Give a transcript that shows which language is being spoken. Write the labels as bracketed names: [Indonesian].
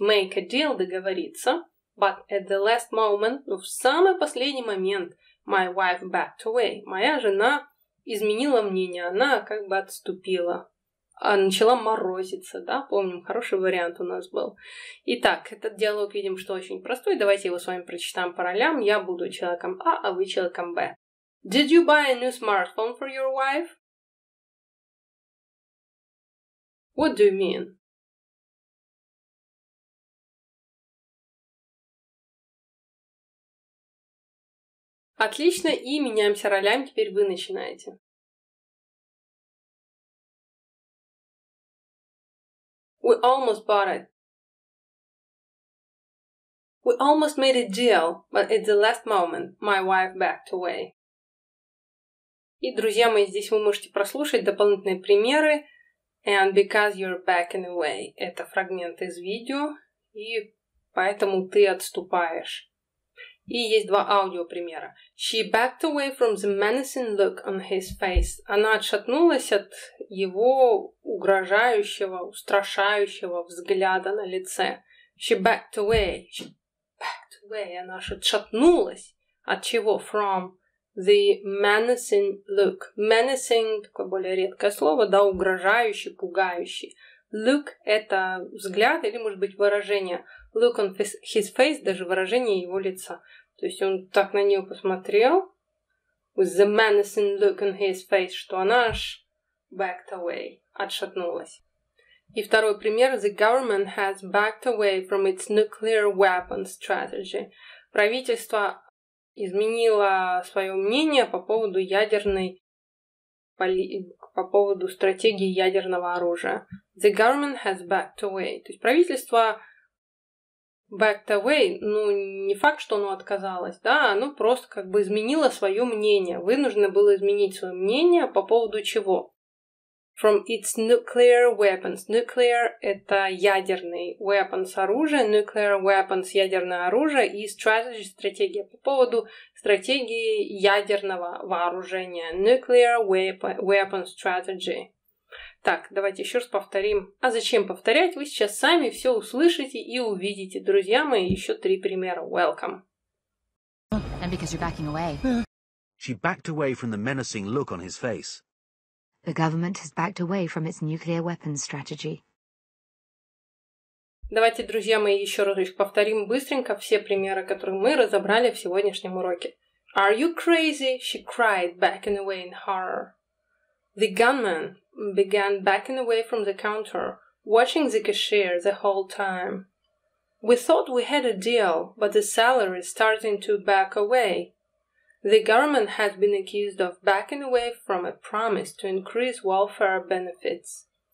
[English] Make a deal, [Russian] договориться. [English] But at the last moment, [Russian] в самый последний момент, [English] my wife backed away. [Russian] Моя жена изменила мнение. Она как бы отступила. Начала морозиться, да? Помним, хороший вариант у нас был. Итак, этот диалог видим, что очень простой. Давайте его с вами прочитаем по ролям. Я буду человеком А, а вы человеком Б. [English] Did you buy a new smartphone for your wife? What do you mean? [Russian] Отлично, и меняемся ролями, теперь вы начинаете. [English] We almost bought it. We almost made a deal, but at the last moment my wife backed away. [Russian] И, друзья мои, здесь вы можете прослушать дополнительные примеры. [English] And because you're backing away. [Russian] Это фрагмент из видео. И поэтому ты отступаешь. И есть два аудиопримера. [English] She backed away from the menacing look on his face. [Russian] Она отшатнулась от его угрожающего, устрашающего взгляда на лице. [English] She backed away. She backed away. [Russian] Она отшатнулась. От чего? [English] From the menacing look. [Russian] Menacing, такое более редкое слово, да, угрожающий, пугающий. Look – это взгляд или, может быть, выражение. Look on his face – даже выражение его лица. То есть он так на нее посмотрел, [English] with the menacing look on his face, [Russian] что она аж backed away, отшатнулась. И второй пример. [English] The government has backed away from its nuclear weapons strategy. [Russian] Правительство изменила свое мнение по поводу ядерной по поводу стратегии ядерного оружия. [English] The government has backed away. [Russian] То есть правительство backed away, ну, не факт, что оно отказалось, да, оно просто как бы изменило свое мнение. Вынуждено было изменить свое мнение по поводу чего? [English] From its nuclear weapons. Nuclear – [Russian] это ядерный [English] weapons – [Russian] оружие. Nuclear weapons – ядерное оружие. И strategy – стратегия. По поводу стратегии ядерного вооружения. [English] Nuclear weapon strategy. [Russian] Так, давайте еще раз повторим. А зачем повторять? Вы сейчас сами все услышите и увидите. Друзья мои, еще три примера. [English] Welcome. And because you're backing away. She backed away from the menacing look on his face. The government has backed away from its nuclear weapons strategy. [Russian] Давайте, друзья мои, еще раз повторим быстренько все примеры, которые мы разобрали в сегодняшнем уроке. [English] Are you crazy? She cried, backing away in horror. The gunman began backing away from the counter, watching the cashier the whole time. We thought we had a deal, but the seller is starting to back away. The government has been accused of backing away from a promise to increase welfare benefits.